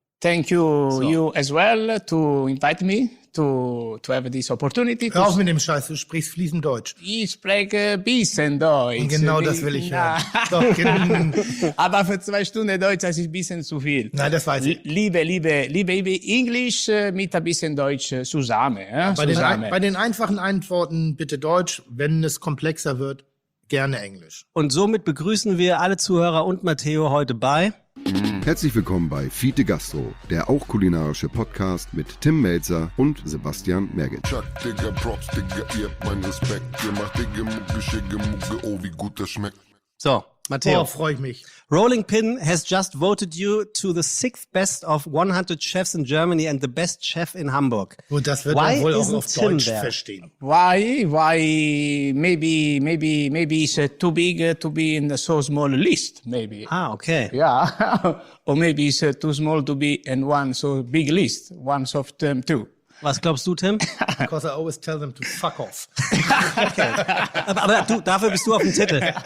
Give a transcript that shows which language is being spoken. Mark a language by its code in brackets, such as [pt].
[en] Thank you, so. You as well, to invite me to have this opportunity. [de] Hör auf mit dem Scheiß, du sprichst fließend Deutsch. Ich spreche ein bisschen Deutsch. Und genau das will ich hören. Aber für 2 Stunden Deutsch, das ist ein bisschen zu viel. Nein, das weiß ich. Liebe Englisch mit ein bisschen Deutsch zusammen. Bei den einfachen Antworten bitte Deutsch, wenn es komplexer wird, gerne Englisch. Und somit begrüßen wir alle Zuhörer und Matteo heute bei... Herzlich willkommen bei Fiete Gastro, der auch kulinarische Podcast mit Tim Melzer und Sebastian Merget. Chuck, Digga, Props, Digga, ihr habt meinen Respekt. Ihr macht Digga, Mucke, Schicke, Mucke, oh, wie gut das schmeckt. So, Matteo. Oh, freu ich mich. [en] Rolling Pin has just voted you to the 6th best of 100 chefs in Germany and the best chef in Hamburg. [de] Und das wird man wohl auch auf Tim Deutsch there? Verstehen. [en] Why? Maybe it's too big to be in the so small list, maybe. Ah, okay. Yeah. Or maybe it's too small to be in one so big list, one of them too. [de] Was glaubst du, Tim? [en] Because I always tell them to fuck off. Okay. [de] Aber du, dafür bist du auf dem Titel.